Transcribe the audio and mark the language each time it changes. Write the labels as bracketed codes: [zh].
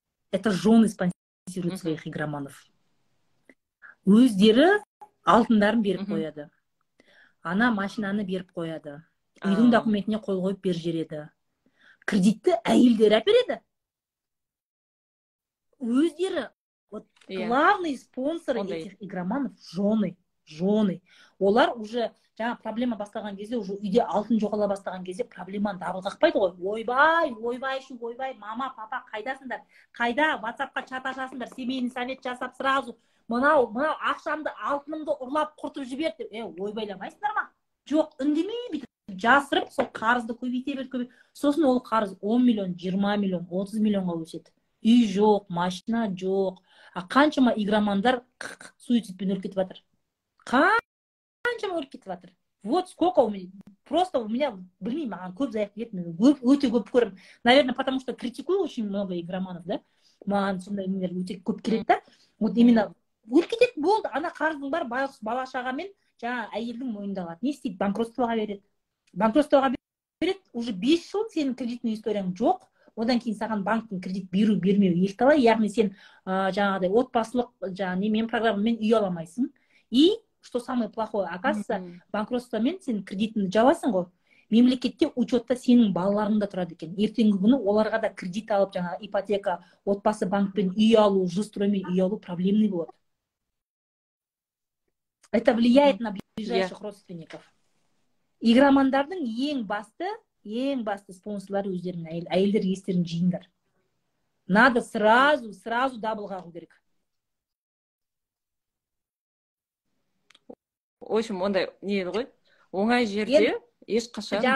[ru] Это жены спонсируют своих игроманов. [kk] Өздері алтындарын беріп қояды. Ана машинаны беріп қояды. Үйдің документіне қол қойып бер жібереді. Кредитті әйелдер әпереді. Өздері [ru] вот главный спонсор этих игроманов жены, жены. [kk] Олар уже жаңа проблема бастаған кезде, уже үйде алтын жоғала бастаған кезде проблеманы дабыл қақпайды ғой. Ойбай, ойбай шу, ойбай, мама, папа, қайдасыңдар? Қайда? WhatsApp-қа чат ашасыңдар? [ru] Семейный совет [kk] жасап [ru] сразу. [kk] Мынау, мынау ақшамды, алтынымды ұрлап құртып жіберді. Ойбайламайсыңдар ма? Жоқ, үндемей бүйтіп жасырып, сол қарызды көбейте бер, көбейте. Сосын ол қарыз 10 миллион, 20 миллион, 30 миллионға өседі. Үй жоқ, машина жоқ. А қаншама игромандар суицидпен өліп кетіп жатыр. Қаншама өліп кетіп жатыр. [ru] Вот сколько у меня, просто у меня, блин, [kk] маған көп заявка келеді, мен өте көп көрем. [ru] Наверное, потому что критикую очень много игроманов, да? [kk] Маған сондай нелер өте көп келеді да. [ru] Вот именно [kk] өліп кетеді, болды. Ана қарызың бар, байғұс бала шаға мен жаңа әйелдің мойнында қалады. Не істейді? Банкротствоға береді. Банкротствоға береді. Уже 5 жыл сенің кредитный историяң жоқ. Одан кейін саған банктің кредит беру бермеу екіталай. Яғни сен жаңағыдай отбасылық жаңа немен программамен үй ала алмайсың. [ru] И что самое плохое, оказывается, [kk] банкротствомен сен кредитіңді жабасың ғой. Мемлекетте учетта сенің балаларың да тұрады екен. Ертеңгі күні оларға да кредит алып, жаңағы ипотека, отбасы банкпен үй алу, жұстроймен үй алу проблемный болады. [ru] Это влияет на ближайших родственников. [kk] Игромандардың ең басты спонсорлары өздерінің әйелдер, естерін жиындар. [ru] Надо сразу [kk] дабыл қағу керек. Ойшым, ондай не еді ғой? Оңай жерде ешқашан